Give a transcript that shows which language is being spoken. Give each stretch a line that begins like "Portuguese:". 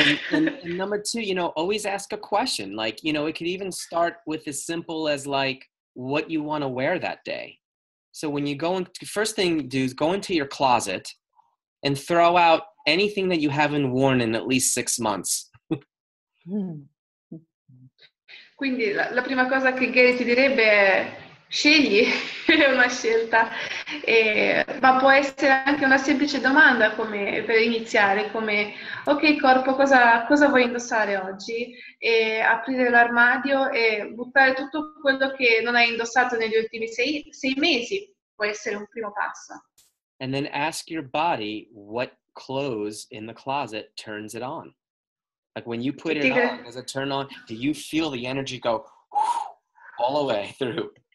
English: And number two, you know, always ask a question. Like, you know, it could even start with as simple as like what you want to wear that day. So when you go in, first thing you do is go into your closet and throw out anything that you haven't worn in at least 6 months.
Italian: Quindi la prima cosa che Gary ti direbbe è scegli, è una scelta. Ma può essere anche una semplice domanda come per iniziare, come ok corpo, cosa vuoi indossare oggi? E aprire l'armadio e buttare tutto quello che non hai indossato negli ultimi sei mesi può essere un primo passo.
English: And then ask your body what clothes in the closet turns it on. Like when you put it on, does it turn on? Do you feel the energy go all the way through?